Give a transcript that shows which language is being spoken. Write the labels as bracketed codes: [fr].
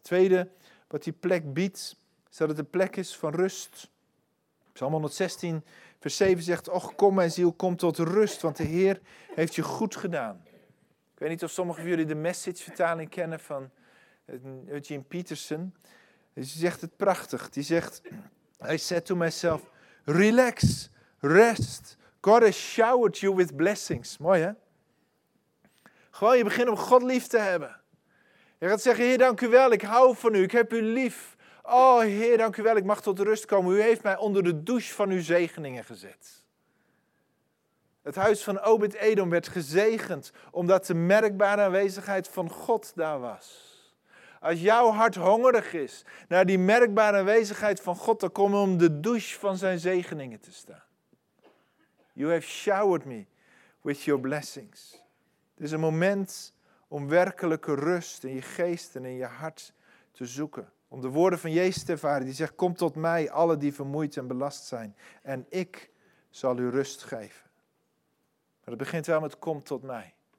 [nl] Tweede, wat die plek biedt, is dat het een plek is van rust. Psalm 116, vers 7 zegt, och kom mijn ziel, kom tot rust, want de Heer heeft je goed gedaan. Ik weet niet of sommigen van jullie de Message-vertaling kennen van Eugene Peterson. Die zegt het prachtig. Die zegt, [en] I said to myself, relax, rest, God has showered you with blessings. [nl] Mooi, hè? Gewoon, je begint om God lief te hebben. Je gaat zeggen, Heer, dank u wel, ik hou van u, ik heb u lief. Oh, Heer, dank u wel, ik mag tot rust komen. U heeft mij onder de douche van uw zegeningen gezet. Het huis van Obed-Edom werd gezegend, omdat de merkbare aanwezigheid van God daar was. Als jouw hart hongerig is naar die merkbare aanwezigheid van God, dan kom je om de douche van zijn zegeningen te staan. [en] You have showered me with your blessings. [nl] Het is een moment om werkelijke rust in je geest en in je hart te zoeken. Om de woorden van Jezus te ervaren. Die zegt, kom tot mij, alle die vermoeid en belast zijn. En ik zal u rust geven. Maar het begint wel met, kom tot mij.